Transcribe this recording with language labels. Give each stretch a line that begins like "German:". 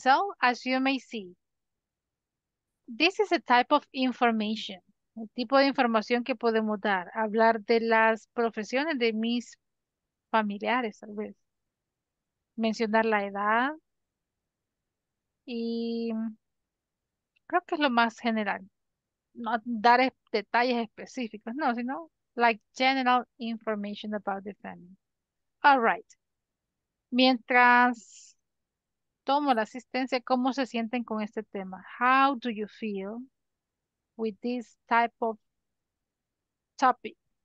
English: So, as you may see, this is a type of information.
Spanish: El tipo de información que podemos dar. Hablar de las profesiones de mis familiares, tal vez. Mencionar la edad. Y creo que es lo más general. No dar detalles específicos, no, sino
English: like general information about the family. All right.
Spanish: Mientras tomo la asistencia, ¿cómo se sienten con este tema?
English: How do you feel with this type of topic?